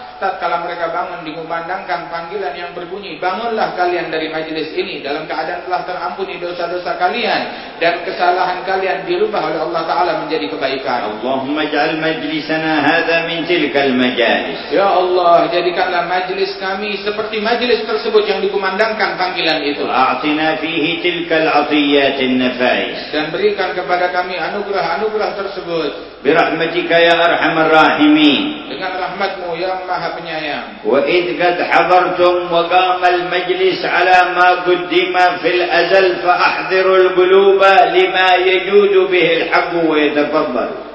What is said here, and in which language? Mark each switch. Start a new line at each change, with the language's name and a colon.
Indonesian: Tatkala mereka bangun dikumandangkan panggilan yang berbunyi, bangunlah kalian dari majlis ini dalam keadaan telah terampuni dosa-dosa kalian dan kesalahan kalian dirubah oleh Allah Ta'ala menjadi kebaikan.
Arabic: Allahumma ja'al majlisana hadha min tilkal majalis.
Indonesian: Ya Allah, jadikanlah majlis kami seperti majlis tersebut yang dikumandangkan panggilan itu.
Arabic: أعطنا فيه تلك العطيات النفائس.
Indonesian: Dan berikan kepada kami anugerah-anugerah tersebut.
Arabic: برحمتك يا أرحم الراحمين.
Indonesian: Dengan rahmatmu ya Maha Penyayang.
Arabic: وإذ قد حضرتم وقام المجلس على ما قدم في الأزل فأحضروا القلوب لما يجود به الحق ويتفضل.